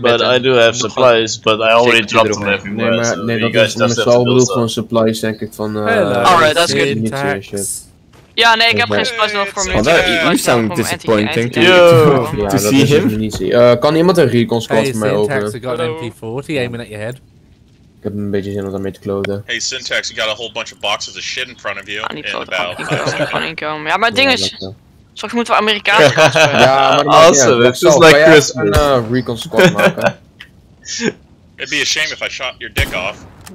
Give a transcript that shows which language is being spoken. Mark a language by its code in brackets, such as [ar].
[en] But I do have supplies, but I already dropped them everywhere. [nl] Nee, dat is gewoon supplies, denk ik, van... [en] Alright, that's good. [nl] Ja, nee, ik heb geen supplies nodig voor me. [en] You sound disappointing to see him. [nl] Kan iemand een recon squad voor mij openen? [en] Hey, Syntax, you got an MP40 aiming at your head. [nl] Ik heb een beetje zin om daarmee te kloten. [en] Hey, Syntax, you got a whole bunch of boxes of shit in front of you. [nl] Ja, maar ding is... Straks moeten we Amerikaanse kans spelen. [en] Awesome, it's just like Christmas. [nl] Kan jij een recon squad maken? [en] It'd be a shame if I shot your dick off.